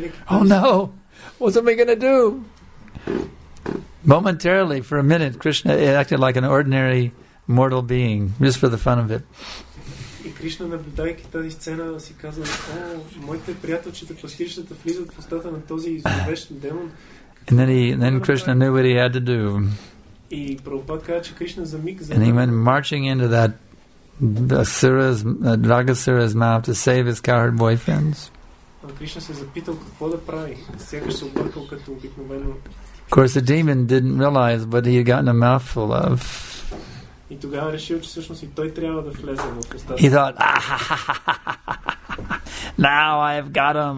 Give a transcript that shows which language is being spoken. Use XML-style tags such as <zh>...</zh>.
<en>Oh no! What am I going to do? Momentarily, for a minute, Krishna acted like an ordinary mortal being, just for the fun of it.</en> <bg>И Кришна, наблюдайки тази сцена, си казва, о, моите приятелчета, пластиричната, влизат в устата на този зловещ демон.</bg> <en>And then Krishna knew what he had to do.</en> <bg>И Прабхупад каза, че Кришна за миг...</bg> <en>And he went marching into that Asura's, Dragasura's mouth to save his coward boyfriends. Of course, the demon didn't realize what he had gotten a mouthful of. He thought, now I've got him.</en>